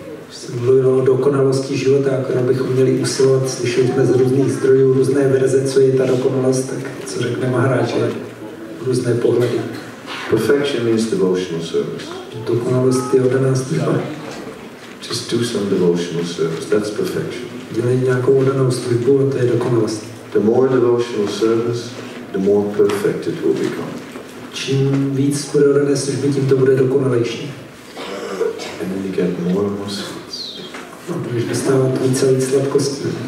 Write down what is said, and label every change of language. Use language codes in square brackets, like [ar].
[cs] Jsem mluvil o dokonalosti života, akorát bychom měli usilovat, slyšeli jsme z různých zdrojů různé verze, co je ta dokonalost, tak co řekne Maharaj, že různé pohledy. [en] Perfection means devotional service. [cs] Dokonalost je oddaná služba. [en] Just do some devotional service, that's perfection. [cs] Dělej nějakou oddanou službu a to je dokonalost. [en] The more devotional service, the more perfect it will become. [cs] Čím víc bude oddané služby, tím to bude dokonalejší. [en] And then you get more and more sweets. [cs] No, protože dostává tu celý sladkost.